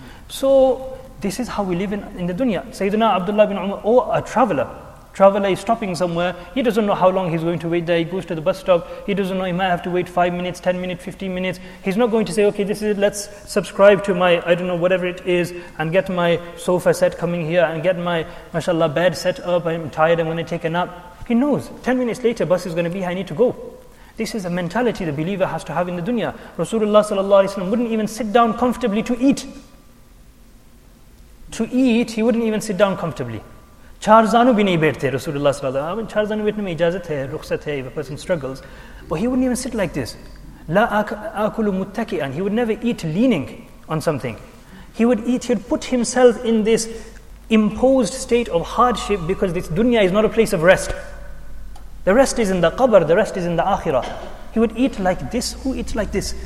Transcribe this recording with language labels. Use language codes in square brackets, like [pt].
[en] So this is how we live in the dunya. Sayyidina Abdullah bin Umar, or a traveler is stopping somewhere, he doesn't know how long he's going to wait there, he goes to the bus stop, he doesn't know, he might have to wait 5 minutes, 10 minutes, 15 minutes, he's not going to say, okay, this is it, let's subscribe to my, I don't know, whatever it is, and get my sofa set coming here, and get my, mashallah, bed set up, I'm tired, I'm going to take a nap. He knows, 10 minutes later, bus is going to be here, I need to go. This is a mentality the believer has to have in the dunya. Rasulullah sallallahu alaihi wasallam wouldn't even sit down comfortably to eat. To eat, he wouldn't even sit down comfortably. [ur] چار زانو بھی نہیں بیٹھتے رسول اللہ صلی اللہ علیہ وسلم. چار زانو بیٹھنے میں اجازت ہے، رخصت ہے، [en] if a person struggles. But he wouldn't even sit like this. [ar] La akulu muttaki'an. [en] He would never eat leaning on something. He would eat, he'd put himself in this imposed state of hardship because this dunya is not a place of rest. The rest is in the qabr, the rest is in the akhirah. He would eat like this. Who eats like this?